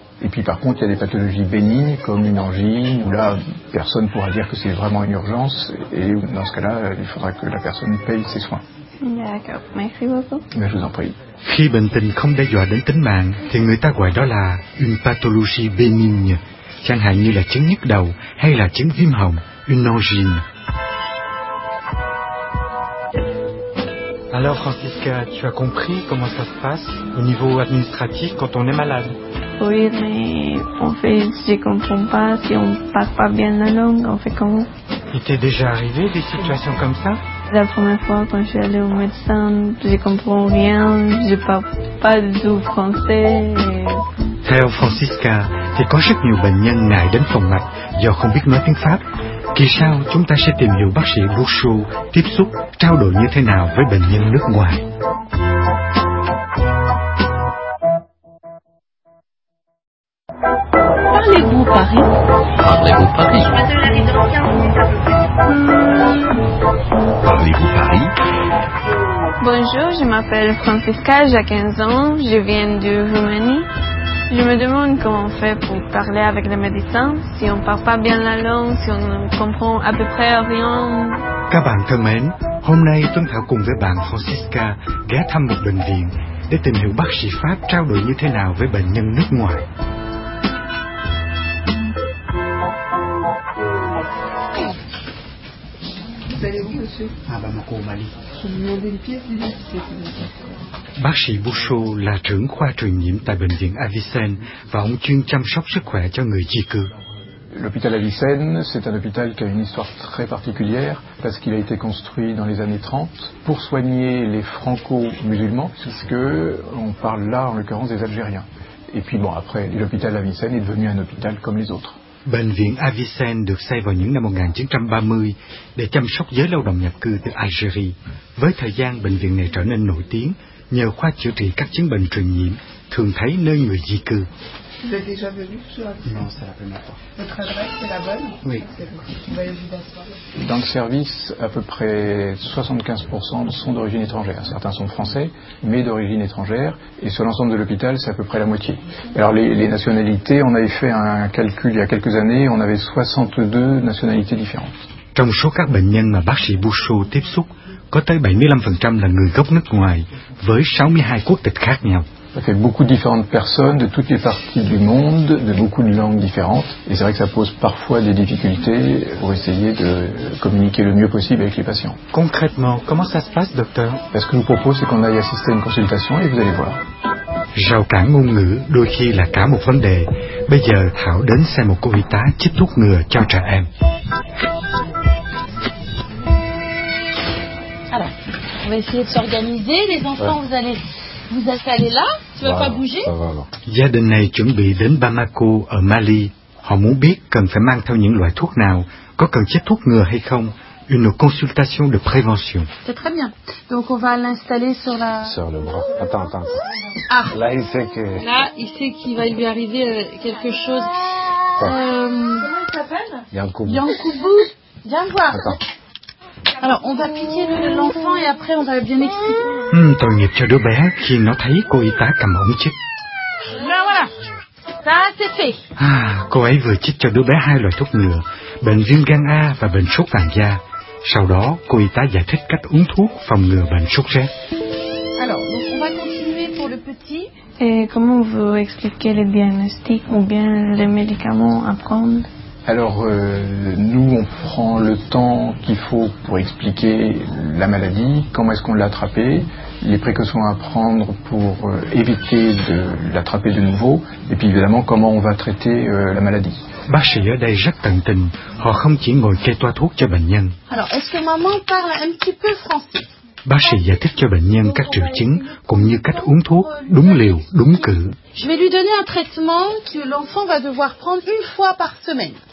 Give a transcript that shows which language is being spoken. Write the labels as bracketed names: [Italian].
[French] Et puis par contre, il y a des pathologies bénignes comme une angine, où là, personne ne pourra dire que c'est vraiment une urgence, et dans ce cas-là, il faudra que la personne paye ses soins. D'accord, merci beaucoup. Mais je vous en prie. [Vietnamese] Khi bệnh tình không đe dọa đến tính mạng, thì người ta gọi đó là [French] une pathologie bénigne, [Vietnamese] chẳng hạn như là chứng nhức đầu hay là chứng viêm họng, [French] une angine. Alors Francisca, tu as compris comment ça se passe au niveau administratif quand on est malade? Oui, mais en fait, je comprends pas. Si on parle pas bien la langue, on fait comment? Il t'est déjà arrivé des situations comme ça? La première fois, quand je suis allée au médecin, je comprends rien. Je parle pas du tout français. [Vietnamese] Theo Francisca, thì có rất nhiều bệnh nhân ngại đến phòng mạch do không biết nói tiếng Pháp. Kỳ sau, chúng ta sẽ tìm hiểu bác sĩ Bushu tiếp xúc, trao đổi như thế nào với bệnh nhân nước ngoài. [French] Parlez-vous Paris? Parlez-vous Paris? Parlez-vous Paris? Bonjour, je m'appelle Francisca, j'ai 15 ans, je viens de Roumanie. Je me demande comment on fait pour parler avec les médecins, si on parle pas bien la langue, si on comprend à peu près rien. [Vietnamese] Các bạn thân mến, Hôm nay Tuấn Thảo cùng với bạn Francisca ghé thăm một bệnh viện để tìm hiểu bác sĩ Pháp trao đổi như thế nào với bệnh nhân nước ngoài. Bác sĩ Boucho là trưởng khoa truyền nhiễm tại bệnh viện Avicenne và ông chuyên chăm sóc sức khỏe cho người di cư. [French] L'hôpital Avicenne, c'est un hôpital qui a une histoire très particulière parce qu'il a été construit dans les années 30 pour soigner les franco-musulmans, puisque on parle là en l'occurrence des Algériens. Et puis bon, après, l'hôpital Avicenne est devenu un hôpital comme les autres. [Vietnamese] Bệnh viện Avicenne được xây vào những năm 1930 để chăm sóc giới lao động nhập cư từ Algeria. Với thời gian, bệnh viện này trở nên nổi tiếng nhờ khoa chữa trị các chứng bệnh truyền nhiễm thường thấy nơi người di cư. [French] Dans le service, à peu près 75% sont d'origine étrangère. Certains sont français, mais d'origine étrangère. Et sur l'ensemble de l'hôpital, c'est à peu près la moitié. Alors les nationalités, on avait fait un calcul il y a quelques années, on avait 62 nationalités différentes. [Vietnamese] Trong số các bệnh nhân mà bác sĩ Boucho tiếp xúc, có tới 75% là người gốc nước ngoài, với 62 quốc tịch khác nhau. [French] Ça fait beaucoup différentes personnes de toutes les parties du monde, de beaucoup de langues différentes. Et c'est vrai que ça pose parfois des difficultés pour essayer de communiquer le mieux possible avec les patients. Concrètement, comment ça se passe, docteur? Ce que je vous propose, c'est qu'on aille assister à une consultation et vous allez voir. [Vietnamese] Rào cản ngôn ngữ đôi khi là cả một vấn đề. Bây giờ, Thảo đến xem một cô y tá chích thuốc ngừa cho trẻ em. [French] On va essayer de s'organiser. Les enfants, ouais. Vous allez vous installer là. Tu vas pas bouger. [Vietnamese] Gia đình này chuẩn bị đến Bamako ở Mali. Họ muốn biết cần phải mang theo những loại thuốc nào, có cần chích thuốc ngừa hay không. [French] Une consultation de prévention. C'est très bien. Donc on va l'installer sur la. Sur le bras. Attends. Ah. Là il sait que. Là il sait qu'il va lui arriver quelque chose. Comment il s'appelle? Yankoubou. Yankoubou. Viens voir. Attends. Alors, on va piquer l'enfant et après on va bien expliquer. [Vietnamese] Tội nghiệp cho đứa bé khi nó thấy cô y tá cầm ống chích. [French] Là voilà. Ça c'est fait. [Vietnamese] Cô ấy vừa chích cho đứa bé hai loại thuốc ngừa, bệnh viêm gan A và bệnh sốt vàng da. Sau đó, cô y tá giải thích cách uống thuốc phòng ngừa bệnh sốt rét. [French] Alors, on va continuer pour le petit. Et comment vous expliquez le diagnostic ou bien les médicaments à prendre? Alors, nous, on prend le temps qu'il faut pour expliquer la maladie, comment est-ce qu'on l'a attrapée, les précautions à prendre pour éviter de l'attraper de nouveau, et puis évidemment, comment on va traiter la maladie. [Vietnamese] Bác sĩ ở đây rất tận tình, họ không chỉ ngồi kê toa thuốc cho bệnh nhân. [French] Alors, est-ce que maman parle un petit peu français? [Vietnamese] Bác sĩ giải thích cho bệnh nhân các triệu chứng cũng như cách uống thuốc đúng liều, đúng cử. [French] Je vais lui donner un traitement que l'enfant va devoir prendre une fois par semaine.